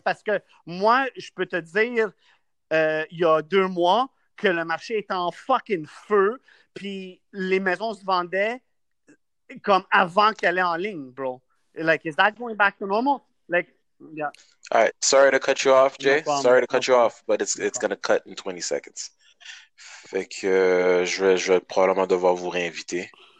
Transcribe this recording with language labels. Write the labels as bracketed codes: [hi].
[fr] Parce que moi, je peux te dire, il y a 2 mois que le marché est en fucking feu, puis les maisons se vendaient comme avant qu'elle est en ligne, bro. [en] Like, is that going back to normal? Like, yeah. All right, sorry to cut you off, Jay. No problem. Sorry to cut you off, but it's going to cut in 20 seconds. [fr] Fait que je vais probablement devoir vous réinviter.